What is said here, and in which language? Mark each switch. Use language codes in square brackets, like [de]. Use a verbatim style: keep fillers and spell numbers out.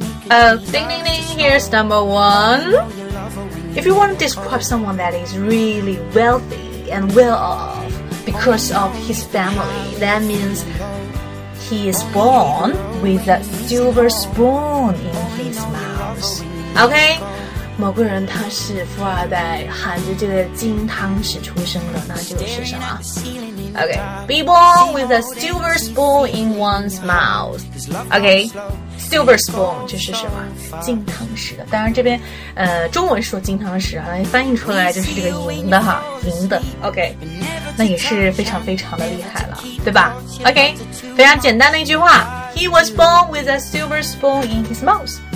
[en] Uh, ding ding ding, here's number one. If you want to describe someone that is really wealthy and well off because of his family, that means he is born with a silver spoon in his mouth. [zh] OK， 某个人他是富二代，含着这个金汤匙出生的，那就是什么 ？OK， [en] be born with a silver spoon in one's mouth。 [zh] OK，silver spoon 就是什么？金汤匙的。当然这边呃中文说金汤匙啊，翻译出来就是这个银的哈，银的。 OK， 那也是非常非常的厉害了，对吧 ？OK， 非常简单的一句话 ， [en] He was born with a silver spoon in his mouth。